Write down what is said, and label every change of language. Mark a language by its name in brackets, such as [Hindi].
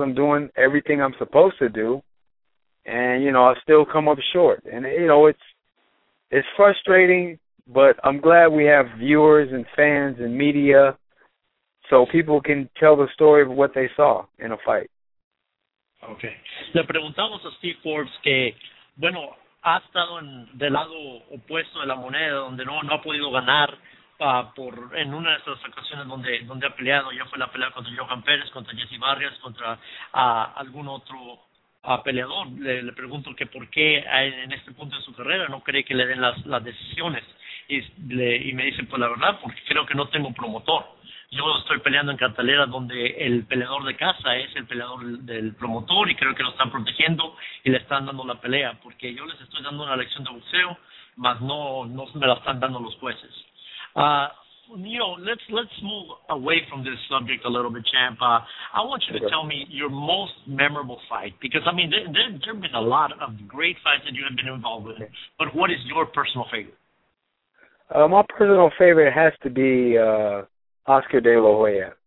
[English] I'm doing everything I'm supposed to do. And, you know, I still come up short. And, you know, it's frustrating, but I'm glad we have viewers and fans and media so people can tell the story of what they saw in a fight. Okay. [Spanish] Le preguntamos a Steve Forbes que, bueno, ha estado en del lado opuesto de la moneda, donde no ha podido ganar por en una de esas ocasiones donde ha peleado. Ya fue la pelea contra Johan Pérez, contra Jesse Vargas, contra algún otro peleador. Le pregunto que por qué en este punto de su carrera no cree que le den las decisiones. Y me dice, pues la verdad, porque creo que no tengo promotor. Yo estoy peleando en cartelera donde el peleador de casa es el peleador del promotor y creo que lo están protegiendo y le están dando la pelea porque yo les estoy dando una lección de boxeo, mas no me la están dando los jueces. [English] Neil, let's move away from this subject a little bit, champ. I want you to tell me your most memorable fight because, I mean, there have been a lot of great fights that you have been involved with, but what is your personal favorite? My personal favorite has to be Oscar De La Hoya.